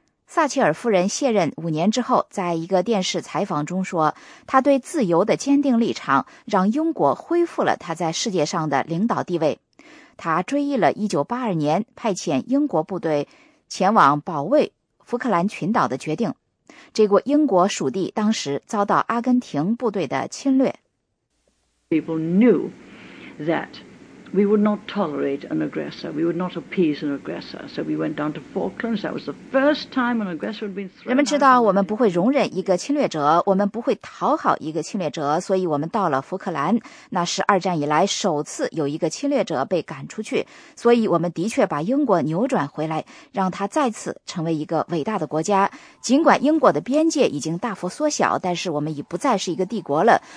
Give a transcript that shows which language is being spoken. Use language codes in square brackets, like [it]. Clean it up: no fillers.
[zh] 撒切尔夫人卸任五年之后，在一个电视采访中说，他对自由的坚定立场让英国恢复了他在世界上的领导地位。他追忆了1982年派遣英国部队前往保卫福克兰群岛的决定，这个英国属地当时遭到阿根廷部队的侵略。 [en] People knew that we would not tolerate an aggressor. We would not appease an aggressor. So we went down to Falklands. That was the first time an aggressor had been thrown. [zh] 人们知道我们不会容忍一个侵略者，我们不会讨好一个侵略者，所以我们到了福克兰。那是二战以来首次有一个侵略者被赶出去，所以我们的确把英国扭转回来，让它再次成为一个伟大的国家。尽管英国的边界已经大幅缩小，但是我们已不再是一个帝国了。